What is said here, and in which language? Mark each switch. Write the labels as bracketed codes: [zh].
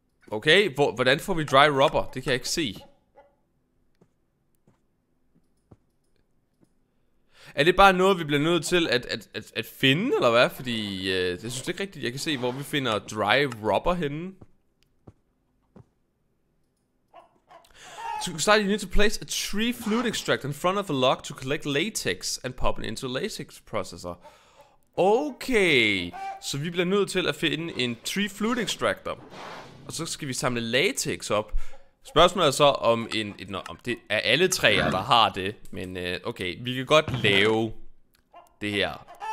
[da] Okay, hvordan får vi dry rubber? Det kan jeg ikke se. Er det bare noget, vi bliver nødt til at finde, eller hvad? Fordi jeg synes ikke rigtigt, jeg kan se, hvor vi finder dry rubber henne. [en] To start, you need to place a tree fluid extract in front of a log to collect latex and pop it into a latex processor. [da] Okay, så vi bliver nødt til at finde en tree fluid extractor. Og så skal vi samle latex op. Spørgsmålet er så, om det er alle træer, der har det. Men okay, vi kan godt lave det her.